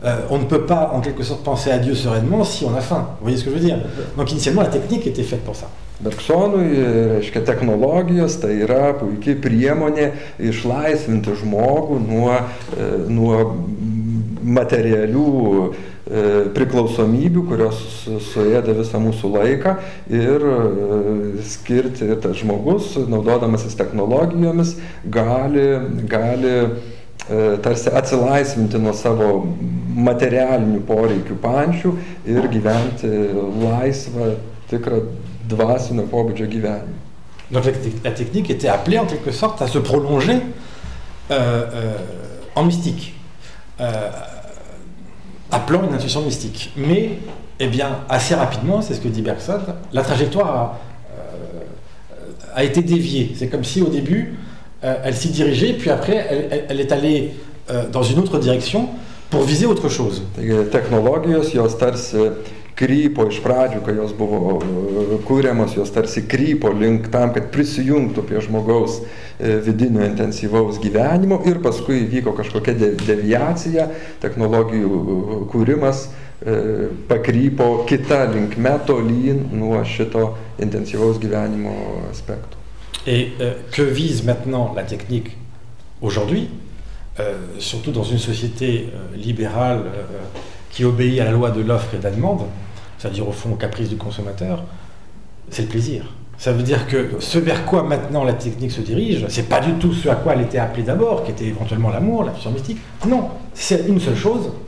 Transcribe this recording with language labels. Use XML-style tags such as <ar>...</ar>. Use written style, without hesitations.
<fr>On ne peut pas en quelque sorte penser à Dieu sereinement si on a faim, vous voyez ce que je veux dire? Donc initialement la technique était faite pour ça.</fr> <lt>Bergsonui, reiškia, technologijos tai yra puikiai priemonė išlaisvinti žmogų nuo materialių priklausomybių, kurios suėda visą mūsų laiką ir skirti tas žmogus, naudodamasis technologijomis, gali tarsi atsilaisvinti nuo savo materialinių poreikių pančių ir gyventi laisvą tikrą dvasinio pobūdžio gyvenimą.</lt> <fr>Donc la technique était appelée en quelque sorte à se prolonger en mystique, appelant une intuition mystique. Mais, eh bien, assez rapidement, c'est ce que dit Bergson, la trajectoire a été déviée. C'est comme si au début, elle s'y dirigeait, puis après, elle est allée dans une autre direction pour viser autre chose.</fr> <lt>Technologijos, jos tarsi krypo iš pradžių, kai jos buvo kūriamos, jos tarsi krypo link tam, kad prisijungtų prie žmogaus vidinio intensyvaus gyvenimo ir paskui vyko kažkokia deviacija, technologijų kūrimas pakrypo kita linkme tolyn nuo šito intensyvaus gyvenimo aspektų.</lt> <fr>Et que vise maintenant la technique aujourd'hui, surtout dans une société libérale qui obéit à la loi de l'offre et de la demande, c'est-à-dire au fond aux caprices du consommateur, c'est le plaisir. Ça veut dire que ce vers quoi maintenant la technique se dirige, c'est pas du tout ce à quoi elle était appelée d'abord, qui était éventuellement l'amour, la fusion mystique. Non, c'est une seule chose,</fr>